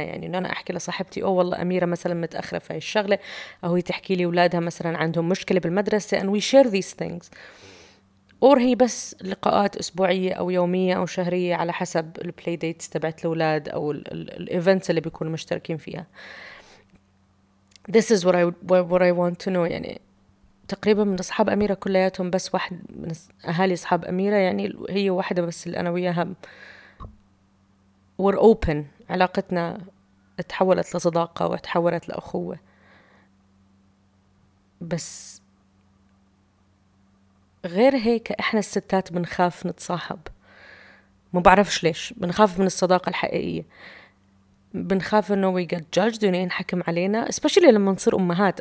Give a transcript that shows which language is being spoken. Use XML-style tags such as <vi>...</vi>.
<ar>يعني أنا أحكي لصاحبتي أو والله أميرة مثلا متأخرة في هاي الشغلة، أو هي تحكي لي أولادها مثلا عندهم مشكلة بالمدرسة</ar> <en>and we share these things،</en> <ar>أو هي بس لقاءات أسبوعية أو يومية أو شهرية على حسب البلاي ديتس تبعت الأولاد أو الإيفنتس اللي بيكونوا مشتركين فيها.</ar> <en>This is what I want to know.</en> <ar>يعني تقريبا من أصحاب أميرة كلياتهم بس واحد من أهالي أصحاب أميرة، يعني هي واحدة بس اللي أنا وياها</ar> <en>we're open،</en> <ar>علاقتنا تحولت لصداقة وتحولت لأخوة. بس غير هيك إحنا الستات بنخاف نتصاحب، ما بعرفش ليش بنخاف من الصداقة الحقيقية، بنخاف إنه</ar> <en>we get judged</en> <ar>ينحكم علينا،</ar> <en>especially</en> <ar>لما نصير أمهات.</ar>